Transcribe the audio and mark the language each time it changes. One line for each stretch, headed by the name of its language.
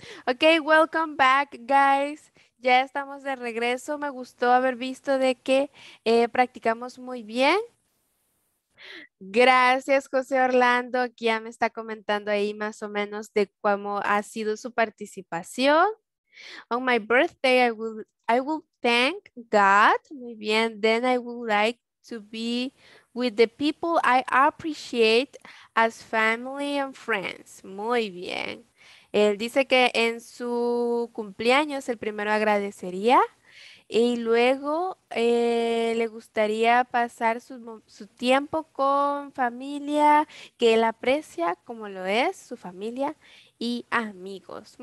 English: Ok, welcome back, guys.
Spanish: Ya estamos de regreso. Me gustó haber visto de que practicamos muy bien. Gracias, José Orlando, que ya me está comentando ahí más o menos de cómo ha sido su participación.
English: On my birthday, I will thank God.
Spanish: Muy bien.
English: Then I would like to be with the people I appreciate as family and friends.
Spanish: Muy bien. Él dice que en su cumpleaños el primero agradecería y luego le gustaría pasar su tiempo con familia que él aprecia como lo es su familia y amigos.